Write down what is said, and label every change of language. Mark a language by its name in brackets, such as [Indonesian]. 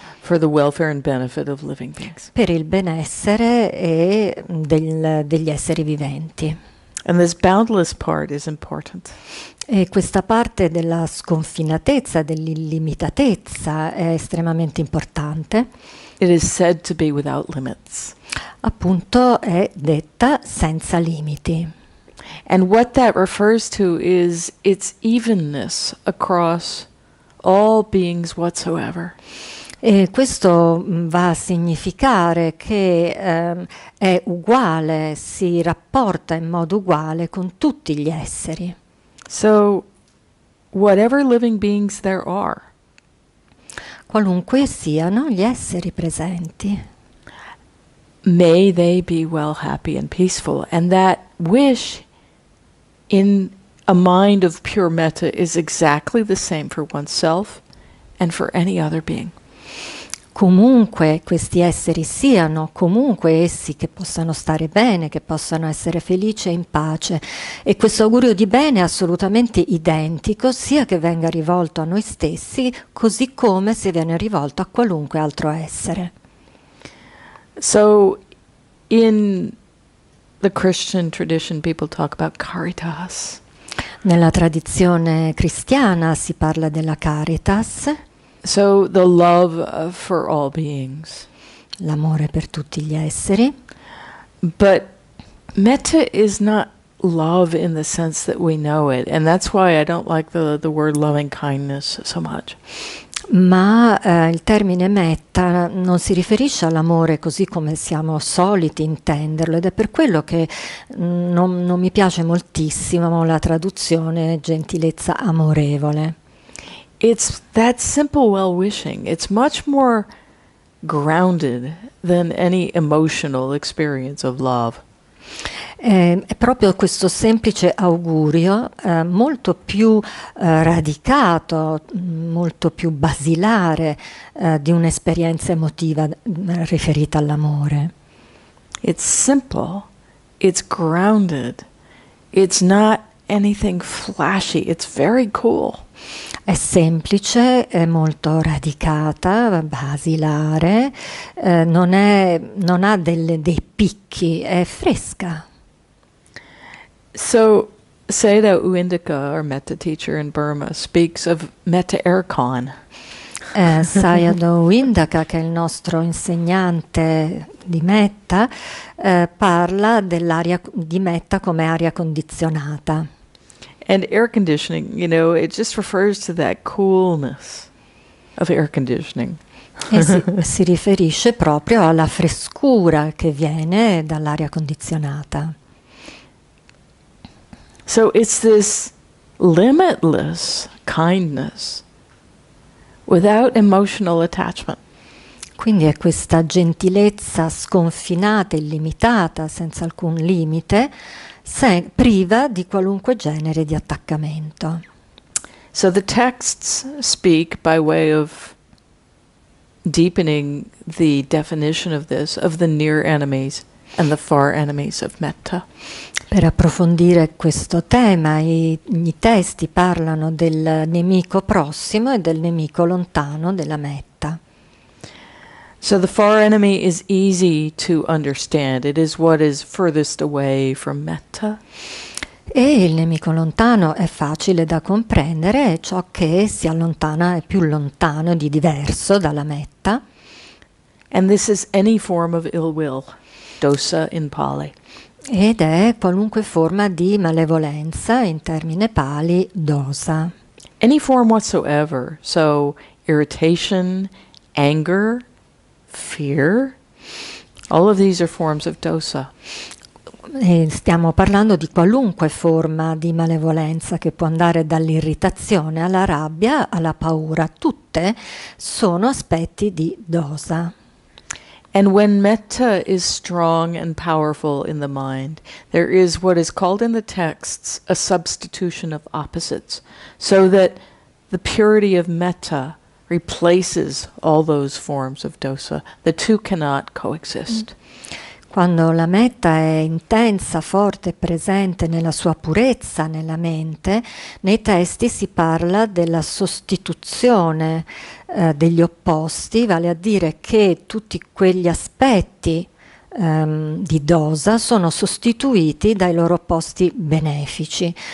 [English] For the welfare and benefit of living beings. [Italian] Per il benessere e degli esseri viventi. [English] And this boundless part is important. [Italian] E questa parte della sconfinatezza, dell'illimitatezza è estremamente importante. [English] It is said to be without limits. [Italian] Appunto è detta senza limiti. [English] And what that refers to is its evenness across all beings whatsoever. [Italian] E questo va a significare che è uguale, si rapporta in modo uguale con tutti gli esseri. [English] So, whatever living beings there are. [Italian] Qualunque siano gli esseri presenti. [English] May they be well, happy and peaceful. And that wish in a mind of pure metta is exactly the same for oneself and for any other being. [Italian] Comunque questi esseri siano, comunque essi che possano stare bene, che possano essere felici e in pace. E questo augurio di bene è assolutamente identico, sia che venga rivolto a noi stessi, così come se viene rivolto a qualunque altro essere. [English] So, in the Christian tradition, people talk about caritas. [Italian] Nella tradizione cristiana si parla della caritas. [English] So the love for all beings. [Italian] L'amore per tutti gli esseri. [English] But metta is not love in the sense that we know it, and that's why I don't like the word loving kindness so much. [Italian] Ma il termine metta non si riferisce all'amore così come siamo soliti intenderlo, ed è per quello che non mi piace moltissimo la traduzione gentilezza amorevole. [English] It's that simple well-wishing. It's much more grounded than any emotional experience of love. [Italian] È proprio questo semplice augurio, molto più radicato, molto più basilare di un'esperienza emotiva riferita all'amore. [English] It's simple. It's grounded. It's not anything flashy. It's very cool. [Italian] È semplice, è molto radicata, basilare, non ha dei picchi, è fresca. [English] So, Seda Uindaka, our metta teacher in Burma, speaks of metta aircon. [Italian] Sayadaw Windaka, che è il nostro insegnante di metta, parla dell'aria di metta come aria condizionata. [English] And air conditioning, you know, it just refers to that coolness of air conditioning. [Italian] si riferisce proprio alla frescura che viene dall'aria condizionata. [English] So it's this limitless kindness without emotional attachment. [Italian] Quindi è questa gentilezza sconfinata, illimitata, senza alcun limite, priva di qualunque genere di attaccamento. [English] So the texts speak by way of deepening the definition of this, of the near enemies and the far enemies of metta. [Italian] Per approfondire questo tema, i testi parlano del nemico prossimo e del nemico lontano della metta. [English] So the far enemy is easy to understand. It is what is furthest away from metta. [Italian] E il nemico lontano è facile da comprendere, è ciò che si allontana, è più lontano di diverso dalla metta. [English] And this is any form of ill will, dosa in Pali. [Italian] Ed è qualunque forma di malevolenza, in termine Pali, dosa. [English] Any form whatsoever, so irritation, anger, fear, all of these are forms of dosa. [Italian] E stiamo parlando di qualunque forma di malevolenza che può andare dall'irritazione alla rabbia alla paura, tutte sono aspetti di dosa. [English] And when metta is strong and powerful in the mind, there is what is called in the texts a substitution of opposites, so that the purity of metta replaces all those forms of dosa. The two cannot coexist. [Italian] Quando la metta è intensa, forte, presente nella sua purezza nella mente, nei testi si parla della sostituzione degli opposti, vale a dire che tutti quegli aspetti di dosa sono sostituiti dai loro opposti benefici.